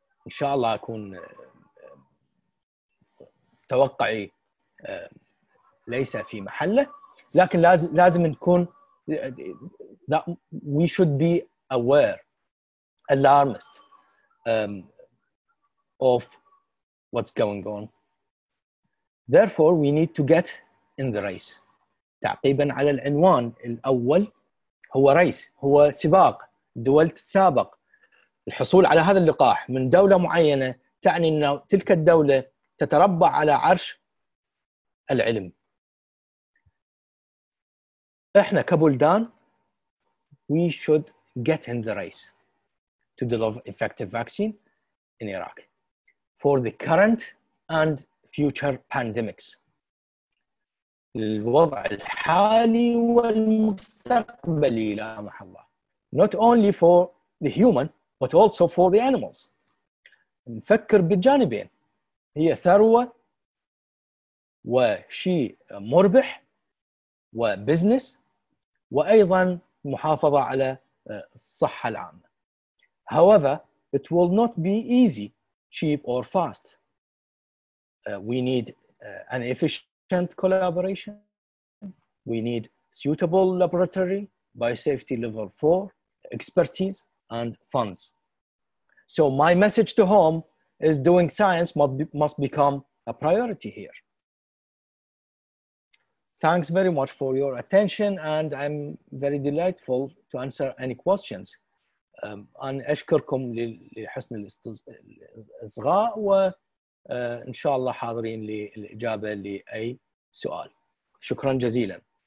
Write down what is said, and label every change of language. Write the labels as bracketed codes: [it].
[ar] Inshallah, أكون توقعي ليس في محله. لكن لازم نكون [en] that we should be aware, alarmist of what's going on. Therefore, we need to get in the race. [ar] تعقيبا على العنوان الأول هو ريس هو سباق دول تتسابق الحصول على هذا اللقاح من دولة معينة تعني أن تلك الدولة تتربع على عرش العلم. إحنا كبلدان [en] we should get in the race to deliver effective vaccine in Iraq for the current and future pandemics. [ar] الوضع الحالي والمستقبلي لا محلا. [en] Not only for the human, but also for the animals. [ar] نفكر بالجانبين. هي ثروة وشيء مربح وبزنس وأيضا محافظة على الصحة العامة. [en] However, it will not be easy, cheap or fast. We need an efficient collaboration. We need suitable laboratory by safety level 4, expertise and funds. So my message to home is doing science must become a priority here. Thanks very much for your attention and I'm very delightful to answer any questions. [ar] And أشكركم لحسن الإصغاء و إن شاء الله حاضرين للإجابة لأي سؤال. شكرا جزيلا.